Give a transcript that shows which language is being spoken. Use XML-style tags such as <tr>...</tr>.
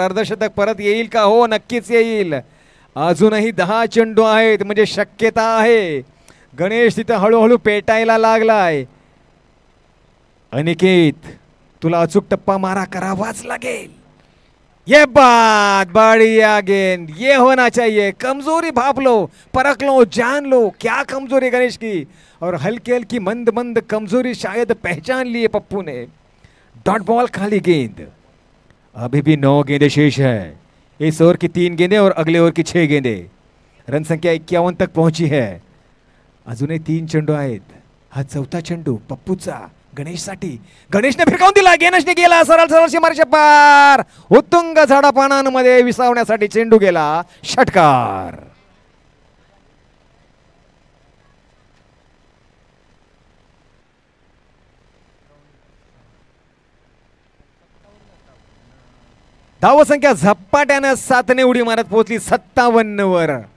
<mr>अर्धशतक परत येईल का? हो नक्कीच येईल. अजूनही 10 चेंडू आहेत म्हणजे शक्यता आहे. गणेश तिथं हळूहळू पेटायला लागलाय. अनिकेत तुला अचूक टप्पा मारा करावाच लागेल.</mr> <hi>ये बात बाळी अगेन, ये होना चाहिए. कमजोरी भापलो, परखलो, जानलो क्या कमजोरी गणेश की, और हल्की हल्की मंद मंद कमजोरी शायद पहचान ली है पप्पू ने. डॉट बॉल, खाली गेंद, अभी भी 9 गेंदे शेष है. इस ओवर की 3 गेंदे और अगले ओवर की 6 गेंदे. रन संख्या 51 तक पहुंची है.</hi> <mr>अजूने 3 चेंडू आहेत. हा चौथा चेंडू पप्पूचा गणेशसाठी. गणेश ने फिरकावून दिला, गणेश ने गेला सरळ सरळ सीमारेषा पार, उत्तुंग झाडापानांमध्ये विसावण्यासाठी चेंडू गेला. षटकार, धावसंख्या झपाट्यानं 7 उडी मारत पोहोचली 57 वर.</mr>